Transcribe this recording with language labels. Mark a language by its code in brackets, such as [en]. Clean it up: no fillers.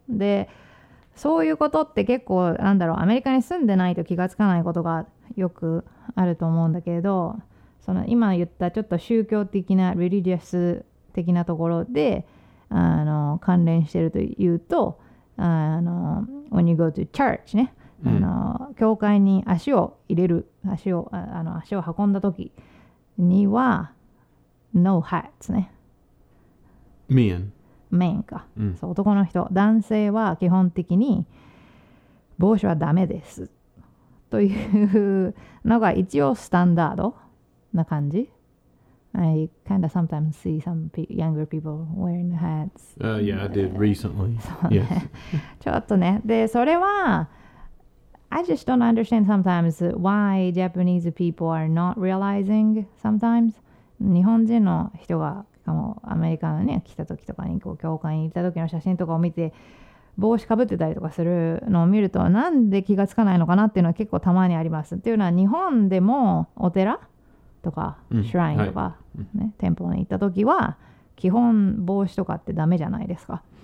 [ja] で、そういうことって結構なんだろう、アメリカに住んでないと気がつかないことがよくあると思うんだけど、その今言ったちょっと宗教的な、religious的なところで、関連してると言うと、 [en] when you go to church [ja] ね、教会に足を入れる、足を運んだ時には、 [en] no hats [ja] ね。 [en] Men。 Men か。 [ja] そう、男の人、男性は基本的に帽子はダメです。というのが一応スタンダードな感じ。 [en] I kind of sometimes see some younger people wearing hats. Yeah, I did recently. [ja] そうね。Yes. ちょっとね。 [en] で、それは、I just don't understand sometimes why Japanese people are not realizing sometimes. [ja] 日本人の人が、アメリカのね、来た時とかに、こう、教会に行った時の写真とかを見て、帽子かぶってたりとかするのを見ると、なんで気がつかないのかなっていうのは結構たまにあります。っていうのは、日本でもお寺とか、シュラインとか、ね、テンポに行った時は、基本帽子とかってダメじゃないですか。